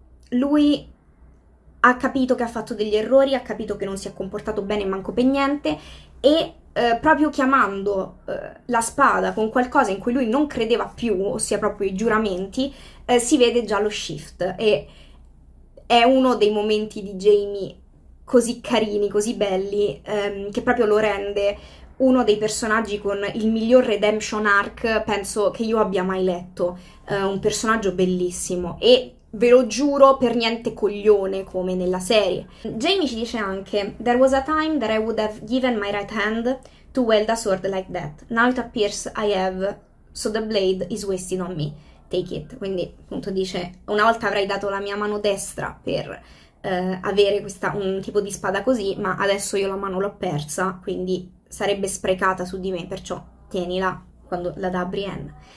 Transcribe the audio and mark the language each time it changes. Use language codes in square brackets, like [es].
[it] Lui ha capito che ha fatto degli errori, ha capito che non si è comportato bene manco per niente, e proprio chiamando la spada con qualcosa in cui lui non credeva più, ossia proprio i giuramenti, si vede già lo shift, e è uno dei momenti di Jaime così carini, così belli, che proprio lo rende uno dei personaggi con il miglior [en] redemption arc, [it] penso, che io abbia mai letto. Un personaggio bellissimo e, ve lo giuro, per niente coglione come nella serie. Jaime ci dice anche: [en] There was a time that I would have given my right hand to wield a sword like that. Now it appears I have, so the blade is wasted on me. Take it. [it] Quindi, appunto, dice: una volta avrei dato la mia mano destra per avere questa, un tipo di spada così, ma adesso io la mano l'ho persa, quindi sarebbe sprecata su di me, perciò tienila quando la dà a Brienne.